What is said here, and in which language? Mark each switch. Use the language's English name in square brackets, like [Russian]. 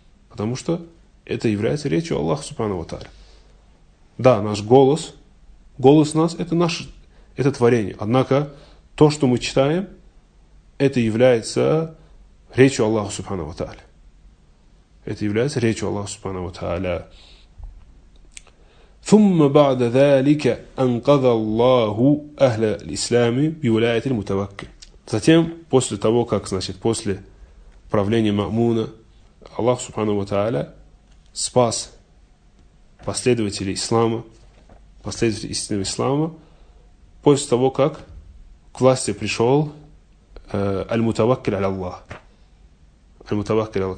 [Russian] Потому что это является речью Аллаха Субхана ва Тааля. Да, наш голос, голос нас, это наше, это творение. Однако то, что мы читаем, это является речью Аллаха Субхана ва Тааля. Это является речью Аллаха Субхана ва Тааля. [Arabic] ثم بعد ذلك أنقذ الله أهل الإسلام بولاية المتوكل. [Russian] Затем после того, как, значит, после правления Мамуна, Аллах Субхана ва Тааля спас последователей ислама, последователей истинного ислама, после того, как к власти пришел Аль-Мутаваккил Аль-Аллах. Аль-Мутаваккил Аллах.